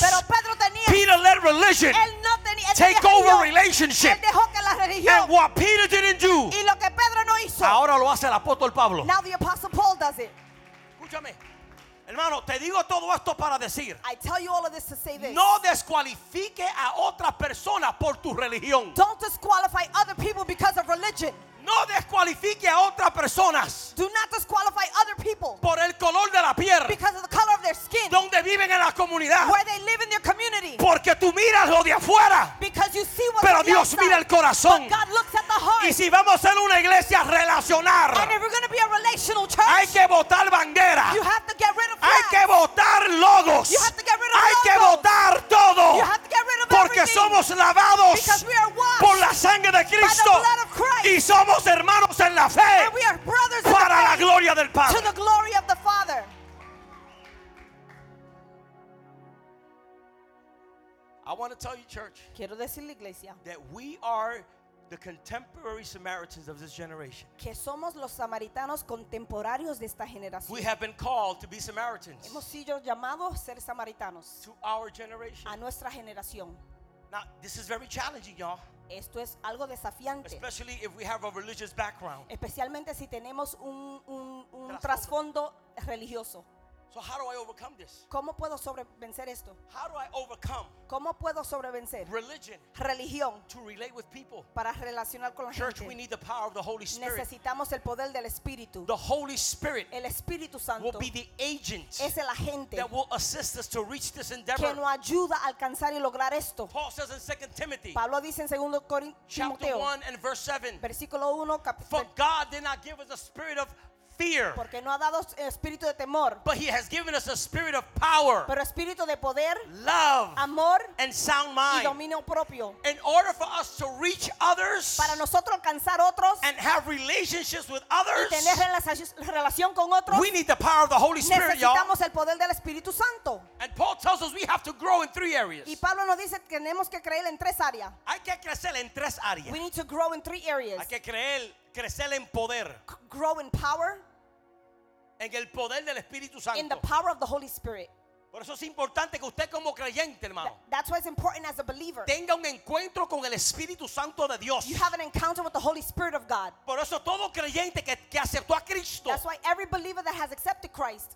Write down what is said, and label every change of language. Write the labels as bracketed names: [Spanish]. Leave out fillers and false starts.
[Spanish] Pero Pedro tenía, [English] Peter let religion take over relationship. [Spanish] Él dejó que la religión, [English] and what Peter didn't do, [Spanish] y lo que Pedro no hizo, ahora lo hace el apóstol Pablo. [English] Now the apostle Paul does it. [Spanish] Escúchame. Hermano, te digo todo esto para decir, [English] I tell you all of this to say this. [Spanish] No descualifique a otras personas por tu religión. [English] Don't disqualify other people because of religion. [Spanish] No descualifique a otras personas. [English] Do not disqualify other people. [Spanish] Por el color de la piel. [English] Because of the color of their skin. [Spanish] Donde viven en la comunidad. [English] Where they live in their community. [Spanish] Porque tú miras lo de afuera. [English] Because you see what [Spanish] pero Dios mira el corazón. [English] But God looks at the heart. [Spanish] Y si vamos a ser una iglesia relacional. [English] And if we're going to be a relational church. [Spanish] Hay que botar bandera. [English] You have to get rid of flags. [Spanish] Hay que botar logos. [English] You have to get rid of logos. [Spanish] Hay que botar todo. [English] You have to get rid of everything. [Spanish] Porque somos lavados. [English] Because we are washed. [Spanish] Por la sangre de Cristo. [English] By the blood of Christ. [Spanish] Y somos hermanos en la fe. [English] And we are brothers [Spanish] para [English] in the [Spanish] la gloria del Padre. [English] To the glory of the Father. I want to tell you, church. [Spanish] Quiero decirle, iglesia. [English] That we are the contemporary Samaritans of this generation. [Spanish] Que somos los samaritanos contemporáneos de esta generación. [English] We have been called to be Samaritans. [Spanish] Hemos sido llamados ser samaritanos. [English] To our generation. [Spanish] A nuestra generación. [English] Now, this is very challenging, y'all. [Spanish] Esto es algo desafiante. [English] Especially if we have a religious background. [Spanish] Especialmente si tenemos un trasfondo religioso. [English] So how do I overcome this? [Spanish] ¿Cómo puedo sobrevencer esto? [English] How do I overcome? [Spanish] ¿Cómo puedo sobrevencer? [English] Religion. [Spanish] Religión. [English] To relate with people. [Spanish] Para relacionar con la [English] church, [Spanish] gente. [English] Church, we need the power of the Holy Spirit. [Spanish] Necesitamos el poder del Espíritu. [English] The Holy Spirit. [Spanish] El Espíritu Santo. [English] Will be the agent. [Spanish] Es el agente. [English] That will assist us to reach this endeavor. [Spanish] Que nos ayuda a alcanzar y lograr esto. [English] Paul says in 2 Timothy. [Spanish] Pablo dice en 2 Corintios. [English] Chapter [Spanish] Timoteo, [English] 1 and verse 7. [Spanish] Versículo 1, capítulo. [English] For God did not give us a spirit of fear. [Spanish] Porque no ha dado espíritu de temor. [English] But he has given us a spirit of power. [Spanish] Pero espíritu de poder. [English] Love. [Spanish] Amor. [English] And sound mind. [Spanish] Y dominio propio. [English] In order for us to reach others. [Spanish] Para nosotros alcanzar otros. [English] And have relationships with others. [Spanish] Y tener relación con otros. [English] We need the power of the Holy Spirit, [Spanish] necesitamos [English] y'all. [Spanish] Necesitamos el poder del Espíritu Santo. [English] And Paul tells us we have to grow in three areas. [Spanish] Y Pablo nos dice que tenemos que creer en tres áreas. Hay que crecer en tres áreas. [English] We need to grow in three areas. [Spanish] Hay que crecer en poder. [English] Grow in power. [Spanish] En el poder del Espíritu Santo. [English] In the power of the Holy Spirit. [Spanish] Por eso es importante que usted como creyente, hermano. [English] That's why it's important as a believer. [Spanish] Tenga un encuentro con el Espíritu Santo de Dios. [English] You have an encounter with the Holy Spirit of God. [Spanish] Por eso todo creyente que aceptó a Cristo. [English] That's why every believer that has accepted Christ.